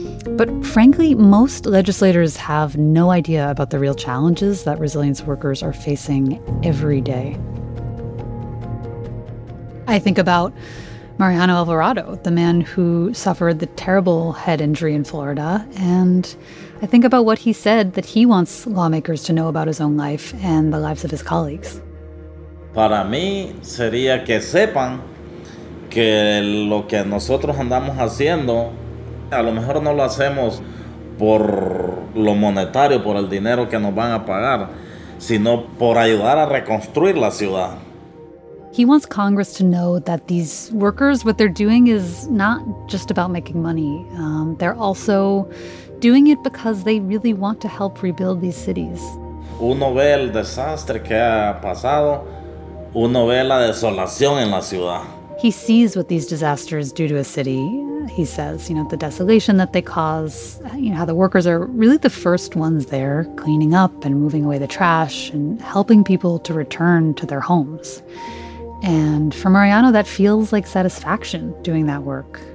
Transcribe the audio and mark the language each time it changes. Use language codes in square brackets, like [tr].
[en] But frankly, most legislators have no idea about the real challenges that resilience workers are facing every day. I think about Mariano Alvarado, the man who suffered the terrible head injury in Florida, and I think about what he said that he wants lawmakers to know about his own life and the lives of his colleagues. [es] Para mí sería que sepan que lo que nosotros andamos haciendo, a lo mejor no lo hacemos por lo monetario, por el dinero que nos van a pagar, sino por ayudar a reconstruir la ciudad. [en] He wants Congress to know that these workers, what they're doing is not just about making money. They're also doing it because they really want to help rebuild these cities. [es] Uno ve el desastre que ha pasado, uno ve la desolación en la ciudad. [en] He sees what these disasters do to a city. He says, you know, the desolation that they cause, you know, how the workers are really the first ones there cleaning up and moving away the trash and helping people to return to their homes. And for Mariano, that feels like satisfaction doing that work.